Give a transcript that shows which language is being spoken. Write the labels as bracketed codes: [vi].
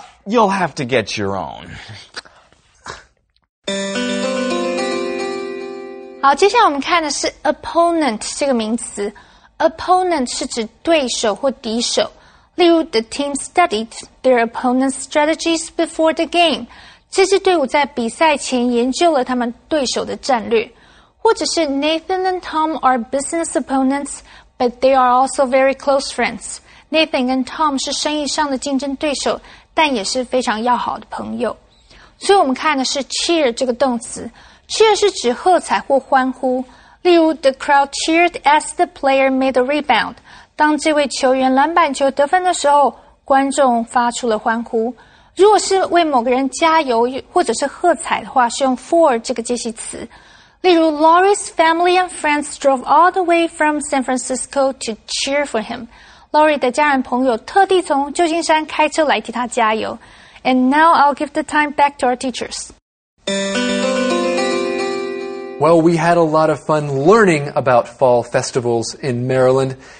[en] You'll have to get your own. [zh] 好，接下来我们看的是 opponent 这个名词。Opponent 是指对手或敌手。 [en] 例如 ,the team studied their opponent's strategies before the game. [zh] 这支队伍在比赛前研究了他们对手的战略。 [en] 或者是 Nathan and Tom are business opponents, but they are also very close friends. [zh] Nathan 跟 Tom 是生意上的竞争对手，但也是非常要好的朋友。所以我们看的是 cheer 这个动词。Cheer 是指喝彩或欢呼。 [en] 例如 ,the crowd cheered as the player made the rebound. [zh] 当这位球员篮板球得分的时候，观众发出了欢呼。如果是为某个人加油或者是喝彩的话，是用 for 这个介系词。 [en] 例如 ,Laurie's family and friends drove all the way from San Francisco to cheer for him. [zh] Laurie 的家人朋友特地从旧金山开车来替他加油。 [en] And now I'll give the time back to our teachers. Well, we had a lot of fun learning about fall festivals in Maryland.